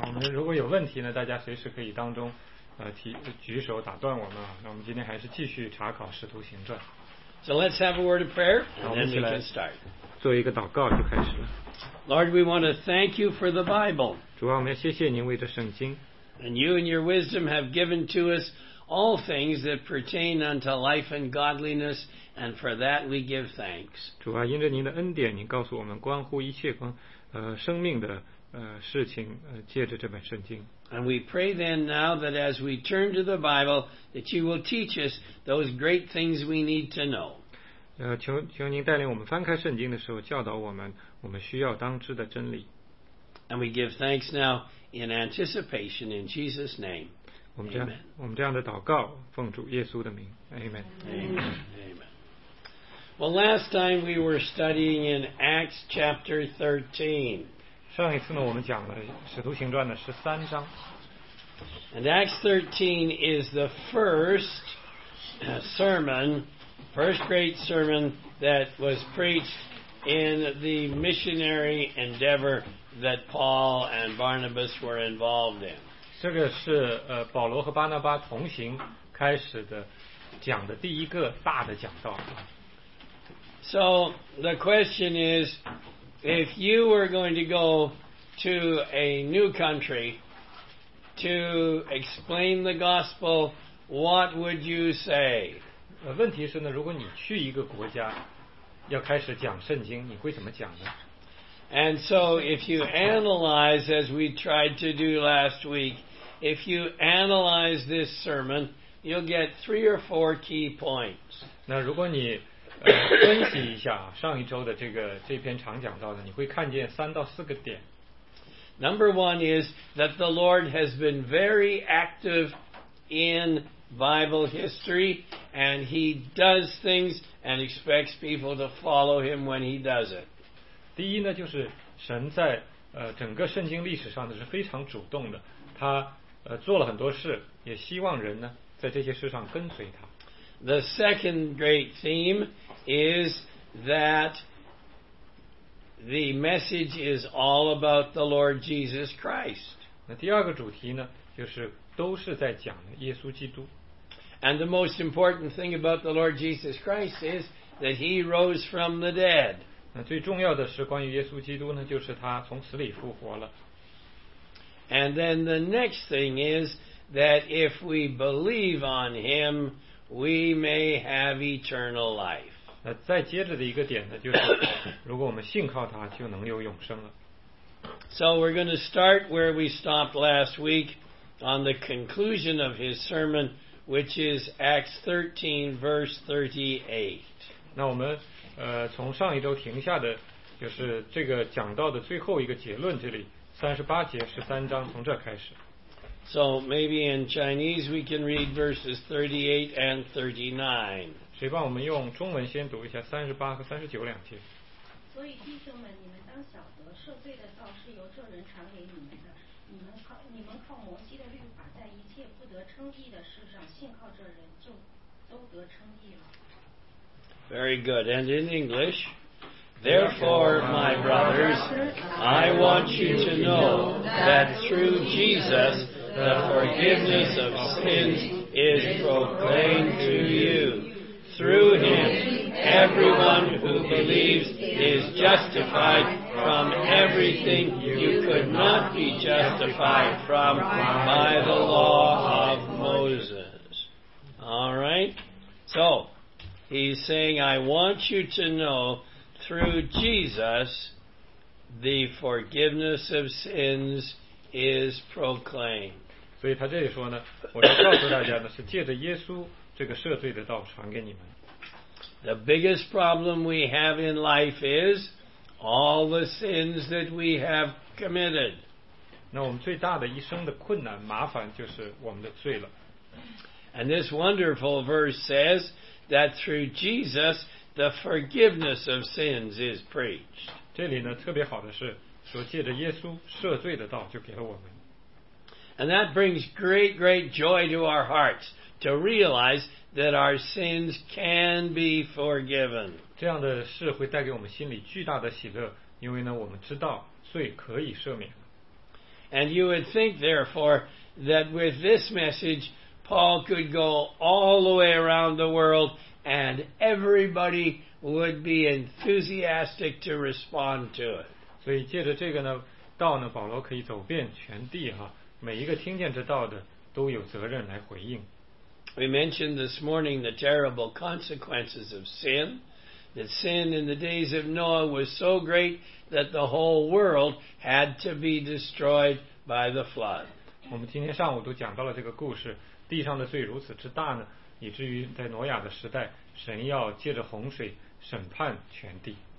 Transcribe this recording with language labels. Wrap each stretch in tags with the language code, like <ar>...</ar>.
<zh>如果有问题呢，大家随时可以当中举手打断我们。那我们今天还是继续查考《使徒行传》。</zh> <en>So let's have a word of prayer, and then we can start.</en> <zh>做一个祷告就开始了。</zh> <en>Lord, we want to thank you for the Bible.</en> <zh>主啊，我们要谢谢您为这圣经。</zh> <en>And you and your wisdom have given to us all things that pertain unto life and godliness, and for that we give thanks.</en> <zh>主啊，因着您的恩典，您告诉我们关乎一切关生命的事情，借着这本圣经。</zh> <en>And we pray then now that as we turn to the Bible, that you will teach us those great things we need to know.</en> <zh>求您带领我们翻开圣经的时候，教导我们我们需要当知的真理。</zh> <en>And we give thanks now in anticipation in Jesus' name.</en> <zh>我们这样的祷告，奉主耶稣的名 ，Amen。</zh> <en>Amen. Amen. Well, last time we were studying in Acts chapter 13.</en> <zh>上一次呢，我们讲了《使徒行传》的十三章。</zh> <en>And Acts 13 is the first sermon, first great sermon that was preached in the missionary endeavor that Paul and Barnabas were involved in.</en> <zh>这个是保罗和巴拿巴同行开始的讲的第一个大的讲道。</zh> <en>So the question is, if you were going to go to a new country to explain the gospel, what would you say?</en> <zh>问题是呢，如果你去一个国家要开始讲圣经，你会怎么讲呢？</zh> <en>And so if you analyze, as we tried to do last week, if you analyze this sermon, you'll get three or four key points.</en> <zh>那如果你分析一下上一周的这篇长讲到的，你会看见三到四个点。</zh> <en>Number one is that the Lord has been very active in Bible history, and he does things and expects people to follow him when he does it.</en> <zh>第一呢，就是神在整个圣经历史上呢是非常主动的，他做了很多事，也希望人呢在这些事上跟随他。</zh> <en>The second great theme is that the message is all about the Lord Jesus Christ.</en> <zh>那第二个主题呢，就是都是在讲耶稣基督。</zh> <en>And the most important thing about the Lord Jesus Christ is that he rose from the dead.</en> <zh>那最重要的是关于耶稣基督呢，就是他从死里复活了。</zh> <en>And then the next thing is that if we believe on him, we may have eternal life.</en> <zh>那再接着的一个点呢，就是如果我们信靠他，就能有永生了。</zh> <en>So we're going to start where we stopped last week on the conclusion of his sermon, which is Acts 13, verse 38.</en> <zh>那我们从上一周停下的，就是这个讲到的最后一个结论，这里38节13章，从这开始。</zh> <en>So maybe in Chinese we can read verses 38 and 39.</en> <zh>谁帮我们用中文先读一下38和39两节。所以弟兄们，你们当晓得赦罪的道是由这人传给你们的。你们靠摩西的律法，在一切不得称义的事上信靠这人，就都得称义了。</zh> <en>Very good. And in English, therefore, my brothers, I want you to know that through Jesus, the forgiveness of sins is proclaimed to you. Through him, everyone who believes is justified from everything you could not be justified from by the law of Moses. All right? So, he's saying, I want you to know through Jesus, the forgiveness of sins is proclaimed.</en> <zh>所以他这里说呢，我要告诉大家呢，是借着耶稣这个赦罪的道传给你们。</zh> <en>The biggest problem we have in life is all the sins that we have committed.</en> <zh>那我们最大的一生的困难麻烦就是我们的罪了。</zh> <en>And this wonderful verse says that through Jesus the forgiveness of sins is preached.</en> <zh>这里呢特别好的是说借着耶稣赦罪的道就给了我们。</zh> <en>And that brings great, great joy to our hearts to realize that our sins can be forgiven.</en> <zh>这样的事会带给我们心里巨大的喜乐，因为呢我们知道罪可以赦免了。</zh> <en>And you would think therefore that with this message Paul could go all the way around the world and everybody would be enthusiastic to respond to it.</en> <zh>所以借着这个呢道呢保罗可以走遍全地哈，每一个听见这道的都有责任来回应。</zh> <en>We mentioned this morning the terrible consequences of sin, that sin in the days of Noah was so great that the whole world had to be destroyed by the flood.</en> <zh>我们今天上午都讲到了这个故事，地上的罪如此之大呢，以至于在挪亚的时代，神要借着洪水审判全地。</zh>